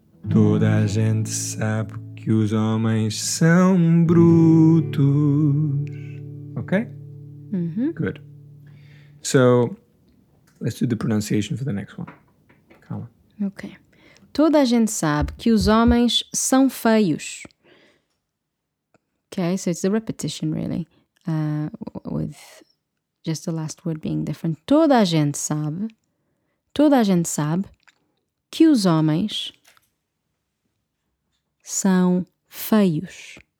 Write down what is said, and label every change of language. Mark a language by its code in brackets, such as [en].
[pt] Toda a gente sabe que os homens são brutos. [en] Okay? Mm-hmm. Good. So, let's do the pronunciation for the next one. Come on. Okay. [pt] Toda a gente sabe que os homens são feios. [en] Okay, so it's the repetition really. With just the last word being different. [pt] Toda a gente sabe que os homens são feios.